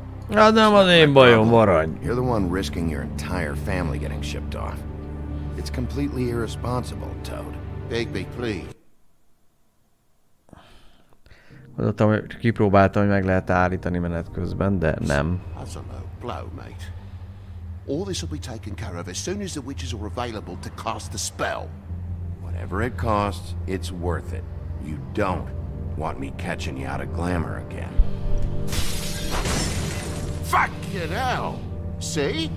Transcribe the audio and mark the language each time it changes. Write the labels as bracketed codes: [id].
[hu] Hát nem az én bajom, Arany. [en] You're the one risking your entire family getting shipped off. It's completely irresponsible, Toad. Bigby, please. [hu] Gondoltam, hogy kipróbáltam, hogy meg lehet állítani menet közben, de nem. [en] That's a low blow, mate. All this will be taken care of as soon as the witches are available to cast the spell. Whatever it costs, it's worth it. You don't want me catching you out of glamour again. Fucking hell! See?